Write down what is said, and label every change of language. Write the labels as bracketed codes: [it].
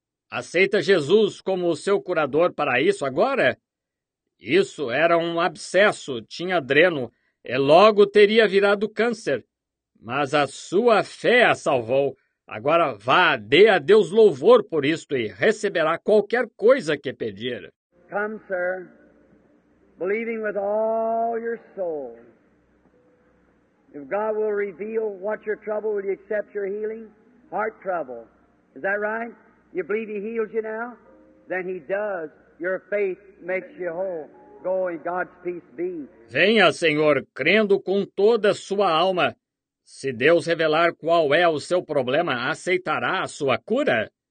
[pt] Aceita Jesus como o seu curador para isso agora? Isso era um abscesso, tinha dreno, e logo teria virado câncer. Mas a sua fé a salvou. Agora vá, dê a Deus louvor por isto e receberá qualquer coisa que pedir. [en] Come, sir, believing with all your soul. If God will reveal what your trouble, will you accept your healing? Heart trouble. Is that right? You believe he heals you now? Then he does. Your faith makes you whole. Go in God's peace be. [pt] Venha, Senhor, crendo com toda a sua alma. Se Deus revelar qual é o seu problema, aceitará a sua cura?